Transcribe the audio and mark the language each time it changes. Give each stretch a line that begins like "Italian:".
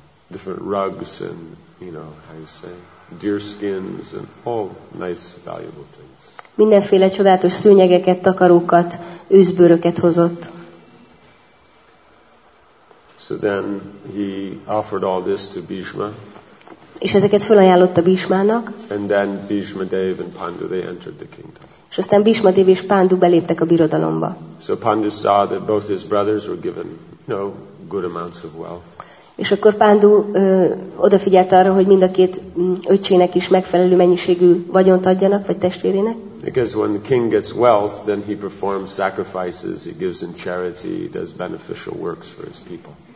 English: different rugs and, you know, how you say, deer skins and all nice valuable things.
Hungarian: Mindenféle csodálatos szőnyegeket, takarókat, őzbőröket hozott.
English: So then he offered all this to Bhishma.
Hungarian: És ezeket felajánlotta Bhishmának.
English: And then Bhishma Dev and Pandu, they entered the kingdom.
Hungarian: És aztán Bhishma Dev és Pandu beléptek a birodalomba.
English: So Pandu saw that both his brothers were given, you know, good amounts of wealth.
Hungarian: És akkor Pandu odafigyelt arra, hogy mind a két öcsének is megfelelő mennyiségű vagyont adjanak, vagy testvérének.
English: Because when the king gets wealth, then he performs sacrifices, he gives in charity, he does beneficial works for his people.